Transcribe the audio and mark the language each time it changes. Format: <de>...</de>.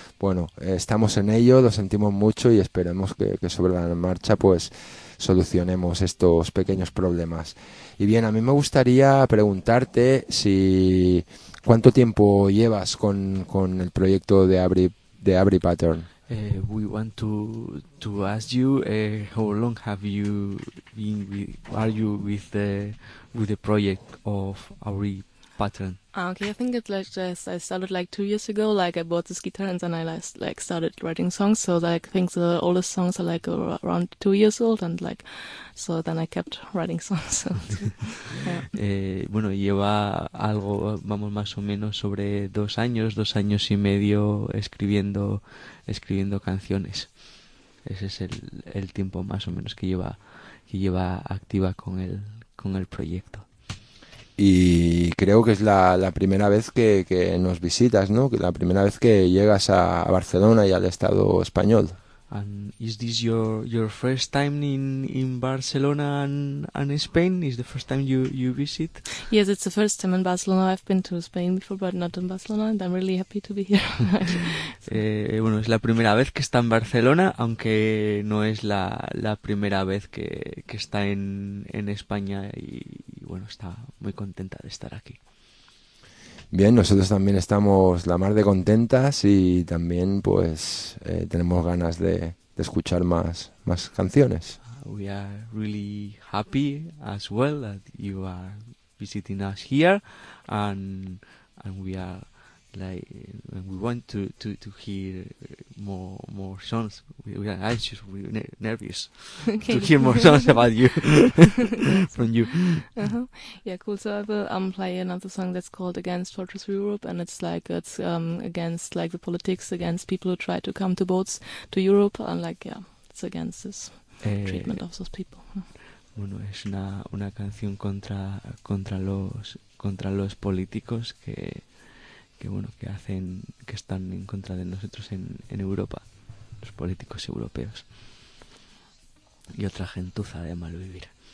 <es>Bueno, estamos en ello, lo sentimos mucho y esperemos que sobre la marcha pues solucionemos estos pequeños problemas. Y bien, a mí me gustaría preguntarte si... ¿Cuánto tiempo llevas con el proyecto de Avery Pattern?</es> <en>We want to ask you how long have you been with the project of Avery pattern. Okay, I think it's like just, I started like 2 years ago, like I bought this guitar and then I like started writing songs. So like, I think the oldest songs are like around 2 years old, and like, so then I kept writing songs.</en> <es>Bueno, lleva algo, vamos, más o menos sobre dos años y medio escribiendo canciones. Ese es el tiempo más o menos que lleva activa con el proyecto. Y creo que es la primera vez que nos visitas, ¿no? Que la primera vez que llegas a Barcelona y al Estado español.</es> <en>And is this your first time in Barcelona and Spain? Is the first time you visit? Yes, it's the first time in Barcelona. I've been to Spain before, but not in Barcelona, and I'm really happy to be here.</en> <es>Bueno, es la primera vez que está en Barcelona, aunque no es la primera vez que está en España, y bueno, está muy contenta de estar aquí. Bien, nosotros también estamos la mar de contentas y también pues tenemos ganas de escuchar más canciones.</es> <en>We are really happy as well that you are visiting us here, and we are like, we want to hear more songs. We are anxious, nervous okay. To hear more songs about you from you. Uh-huh. Yeah, cool. So I will play another song that's called Against Fortress Europe, and it's like it's against like the politics, against people who try to come to boats to Europe, and like, yeah, it's against this treatment of those people.</en> <es>Bueno, es una canción contra los políticos que bueno, que hacen, que están en contra de nosotros en Europa, los políticos europeos y otra gentuza de malvivir.</es>